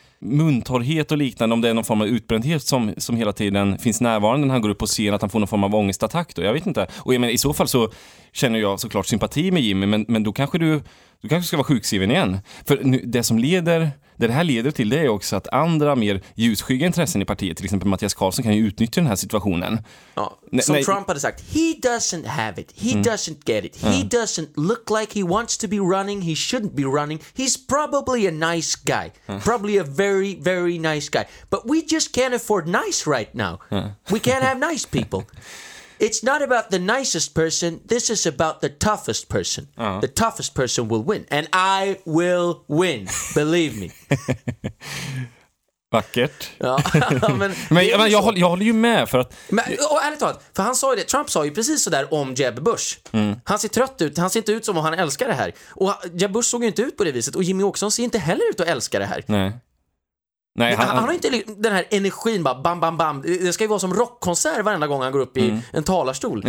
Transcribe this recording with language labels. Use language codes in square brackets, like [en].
[sv] Muntorrhet och liknande, om det är någon form av utbrändhet som hela tiden finns närvarande när han går upp på scen, att han får någon form av ångestattack då. Jag vet inte. Och jag menar, i så fall så känner jag såklart sympati med Jimmy, men då kanske du kanske ska vara sjukskriven igen. För nu, det här leder till det är också att andra mer ljusskygga intressen i partiet, till exempel Mattias Karlsson, kan ju utnyttja den här situationen. Ja, som Trump hade sagt, [en] he doesn't have it, he doesn't get it, he doesn't look like he wants to be running, he shouldn't be running, he's probably a nice guy, probably a very, very nice guy, but we just can't afford nice right now, we can't have nice people. It's not about the nicest person, this is about the toughest person. [sv] Ja. [en] The toughest person will win. And I will win, believe me. [sv] Vackert. Ja. men jag håller ju med, för att... Men, och ärligt talat, för han sa ju det, Trump sa ju precis så där om Jeb Bush. Mm. Han ser trött ut, han ser inte ut som om han älskar det här. Och Jeb Bush såg ju inte ut på det viset, och Jimmie Åkesson ser inte heller ut att älska det här. Nej, han har inte den här energin, bara bam, bam, bam. Det ska ju vara som rockkonsert varenda gång han går upp i en talarstol.